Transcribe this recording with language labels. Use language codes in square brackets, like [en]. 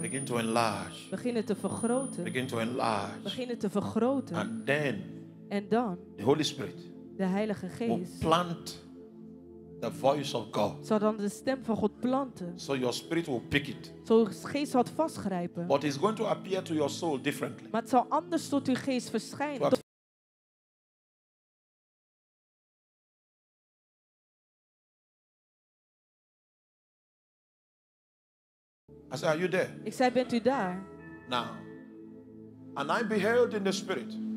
[en] Begin to enlarge. [nl] Beginnen te vergroten. [en] Begin to enlarge. [nl] Beginnen te vergroten. [en] And then, [nl] en dan, [en] the Holy Spirit, [nl] de Heilige Geest, [en] will plant the voice of God. [nl] Zal dan de stem van God planten. [en] So your spirit will pick it. [nl] Zo uw geest zal het vastgrijpen. [en] But it's going to appear to your soul differently. [nl] Maar het zal anders tot uw geest verschijnen. [en] I said, are you there? [nl] Ik zei, bent u daar? [en] Now, and I beheld in the spirit.